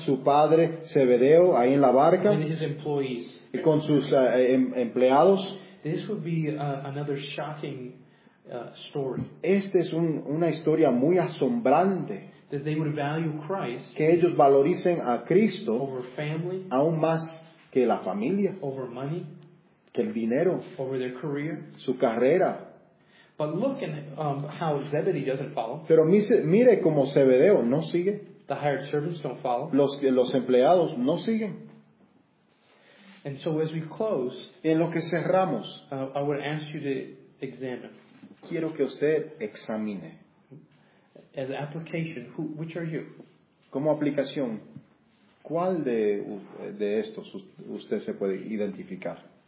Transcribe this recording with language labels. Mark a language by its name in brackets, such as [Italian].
[Spanish] Su padre Zebedeo ahí en la barca. [English] And his employees. [Spanish] Y con sus empleados. [English] This would be another shocking story. [Spanish] Este es una historia muy asombrante. [English] That they would value Christ. [Spanish] Que ellos valoricen a Cristo. [English] Over family. [Spanish] Aún más que la familia. [English] Over money. [Spanish] Que el dinero. [English] Over their career. [Spanish] Su carrera. [English] But look at how Zebedee doesn't follow. [Spanish] Pero mire cómo Zebedeo no sigue. [English] The hired servants don't follow. [Spanish] Los empleados no siguen. [English] And so as we close, [Spanish] en lo que cerramos, [English] I would ask you to examine. [Spanish] Quiero que usted examine. [English] As application, which are you? [Spanish] Como aplicación, ¿cuál de estos usted se puede identificar?